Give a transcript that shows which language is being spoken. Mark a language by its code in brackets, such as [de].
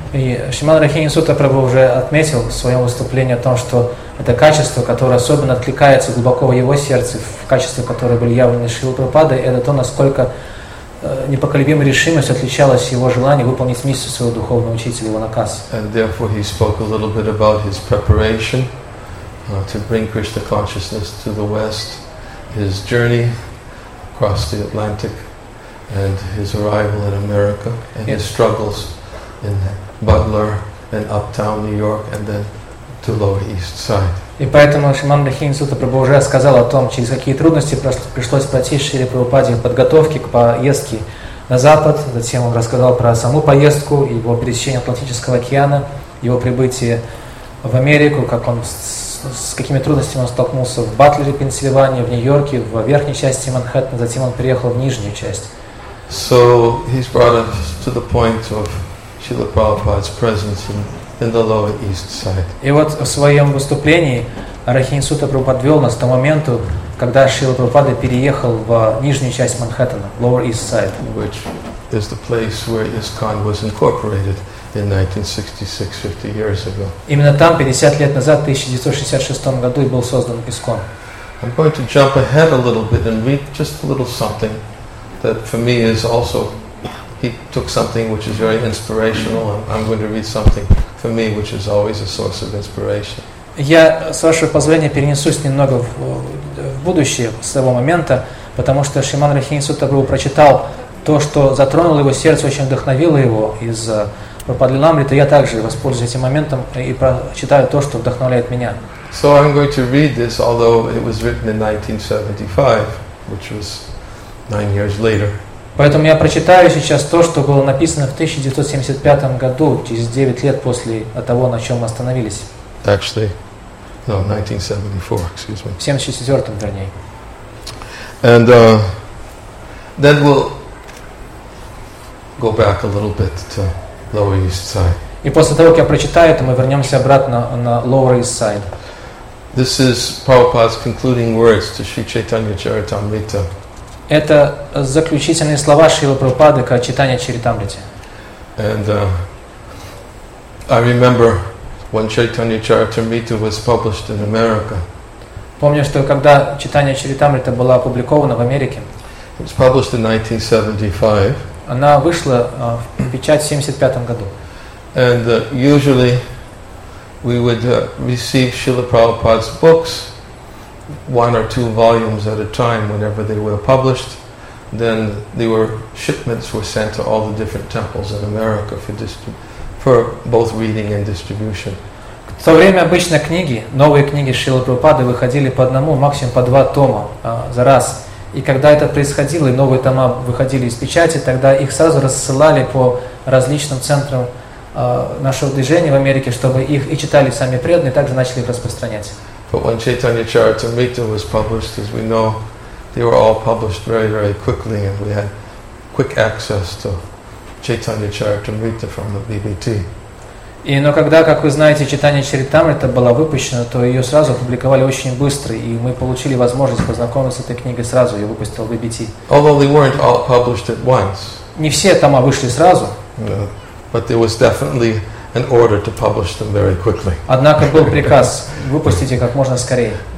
[ru] И Шримад Рохини Сутта Прабху уже отметил в своем выступлении о том, что это качество, которое особенно откликается глубоко в его сердце, в качестве, которое были явлены Шрилой Прабхупадой, это то, насколько непоколебимая решимость отличалась его желание выполнить миссию своего духовного учителя, его наказ. [en] And therefore he spoke a little bit about his preparation to bring Krishna consciousness to the West, his journey across the Atlantic, and his arrival in America, and his struggles in Butler, and Uptown New York, and then to Lower East Side. [ru] И поэтому Шриман Рохини Сутта Прабху уже сказал о том, через какие трудности пришлось пройти Шриле Прабхупаде в подготовке к поездке на Запад. Затем он рассказал про саму поездку, его пересечение Атлантического океана, его прибытие в Америку, как он с какими трудностями он столкнулся в Батлере, Пенсильвании, в Нью-Йорке, в верхней части Манхэттена. Затем он приехал в нижнюю часть. [en] So he's brought us to the point of Srila Prabhupada's presence in the Lower East Side. [ru] И вот в своем выступлении Рохини Сутта Прабху подвел нас к тому моменту, когда Шрила Прабхупада переехал в нижнюю часть Манхэттена, Lower East Side. [en] Which is the place where ISKCON was incorporated 1966, 50 years ago. [ru] Именно там, 50 лет назад, в 1966 году, и был создан ИСККОН. [en] I'm going to jump ahead a little bit and read just a little something that for me is also, he took something which is very inspirational, and I'm going to read something for me which is always a source of inspiration. [ru] Я, с вашего позволения, перенесусь немного в будущее, с того момента, потому что Шриман Рахини Сутта Прабху прочитал то, что затронуло его сердце, очень вдохновило его из Прабхупады Ламриты. Я также воспользуюсь этим моментом и прочитаю то, что вдохновляет меня. [en] So I'm going to read this, although it was written in 1975, which was 9 years later. [ru] Поэтому я прочитаю сейчас то, что было написано в 1975 году, через 9 лет после того, на чем мы остановились. [en] Actually, no, 1974, excuse me. [ru] 74-м, вернее. [en] And then we'll go back a little bit to Lower East Side. [ru] И после того, как я прочитаю это, мы вернемся обратно на Lower East Side. [en] This is Prabhupada's concluding words to Sri Chaitanya Charitamrita. [ru] Это заключительные слова Шрилы Прабхупады к Чайтанья Чаритамрите. [en] And I remember when Chaitanya Charitamrita was published in America. [ru] Помню, что когда Чайтанья Чаритамрита была опубликована в Америке. [en] It was published in 1975. [ru] Она вышла в печать в 75 году. [en] And usually we would receive Srila Prabhupada's books, one or two volumes at a time, whenever they were published. Then they were shipments were sent to all the different temples in America for both reading and distribution. [ru] В то время обычно книги, новые книги Шрилы Прабхупады выходили по одному, максимум по два тома за раз. И когда это происходило, и новые тома выходили из печати, тогда их сразу рассылали по различным центрам нашего движения в Америке, чтобы их и читали сами преданные, и также начали их распространять. [en] But when Chaitanya Charitamrita was published, as we know, they were all published very, very quickly, and we had quick access to Chaitanya Charitamrita from the BBT. [ru] И, но когда, как вы знаете, Chaitanya Charitamrita была выпущена, то ее сразу опубликовали очень быстро, и мы получили возможность познакомиться с этой книгой сразу, ее выпустил BBT. [en] Although they weren't all published at once. [ru] Не все тома вышли сразу. [en] No. But there was definitely an order to publish them very quickly. [ru] Однако был приказ выпустить их как можно скорее.